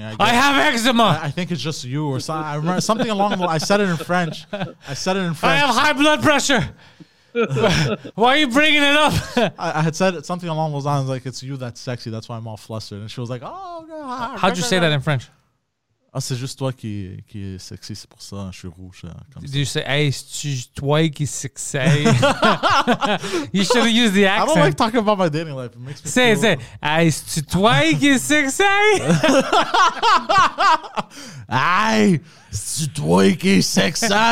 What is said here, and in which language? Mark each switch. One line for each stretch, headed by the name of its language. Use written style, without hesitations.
English: I have eczema. I think it's just you or something. Something along the line. I said it in French. I have high blood pressure. Why are you bringing it up? I had said something along those lines, like, it's you that's sexy, that's why I'm all flustered. And she was like, oh, God. How'd you say that in French?
French: Ah, c'est juste toi qui est sexy, c'est pour ça, je suis rouge.
English: Did you say,
French: hey, c'est toi qui est sexy?
English: You should have used the accent. I don't like talking about my dating life. It makes me
French: say, hey, c'est toi qui est sexy? Hey, c'est toi qui est sexy?